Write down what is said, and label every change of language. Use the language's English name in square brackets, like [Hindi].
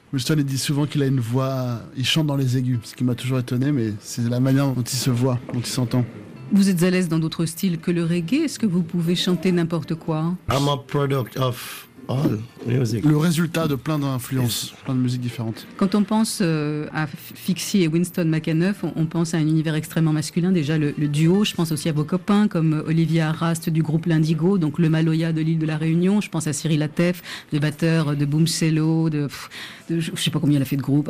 [French] Winston, il dit souvent qu'il a une voix, il chante dans les aigus, ce qui m'a toujours étonné, mais c'est la manière dont il se voit, dont il s'entend. Vous êtes à l'aise dans d'autres styles que le reggae ? Est-ce que vous pouvez chanter n'importe quoi ? [English] I'm a product of all music. [French] Le résultat de plein d'influences, yes. Plein de musiques différentes. Quand on pense à Fixie et Winston McAnuff, on pense à un univers extrêmement masculin. Déjà le duo, je pense aussi à vos copains comme Olivier Arrast du groupe L'Indigo, donc le Maloya de l'île de la Réunion. Je pense à Cyril Atef, le batteur de Boomcello, je ne sais pas combien il a fait de groupe.